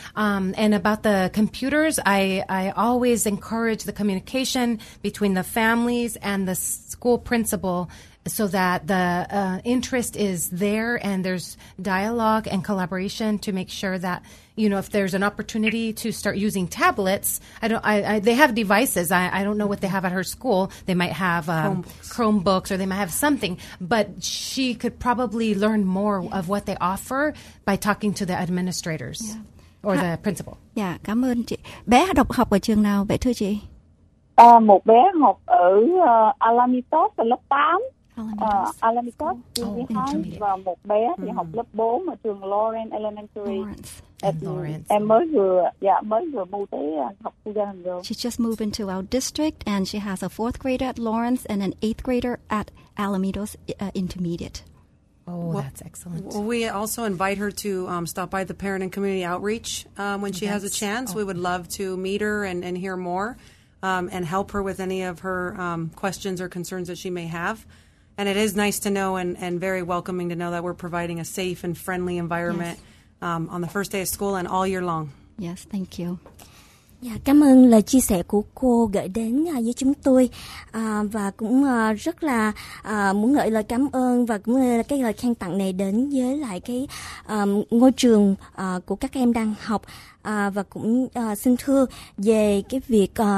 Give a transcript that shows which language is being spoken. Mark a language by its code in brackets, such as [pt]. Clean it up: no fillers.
[en] And about the computers, I always encourage the communication between the families and the school principal so that the interest is there and there's dialogue and collaboration to make sure that, you know, if there's an opportunity to start using tablets, they have devices. I don't know what they have at her school. They might have Chromebooks or they might have something, but she could probably learn more of what they offer by talking to the administrators or the principal. [vi] Yeah, cảm ơn chị. Bé đọc học ở trường nào vậy thưa chị? Một bé học ở Alamitos ở lớp 8. Alamitos và một bé thì học lớp 4 ở trường Lawrence Elementary. Lawrence. Em mới vừa, mới vừa mua tới học khu gia hình rồi. [en] She just moved into our district and she has a fourth grader at Lawrence and an eighth grader at Alamitos Intermediate. Oh, well, that's excellent. Well, we also invite her to stop by the Parent and Community Outreach when she has a chance. We would love to meet her and hear more and help her with any of her questions or concerns that she may have. And it is nice to know and very welcoming to know that we're providing a safe and friendly environment on the first day of school and all year long. Yes, thank you. [vi] Dạ, cảm ơn lời chia sẻ của cô gửi đến với chúng tôi và cũng rất là muốn gửi lời cảm ơn và cũng là cái lời khen tặng này đến với lại cái ngôi trường của các em đang học và cũng xin thưa về cái việc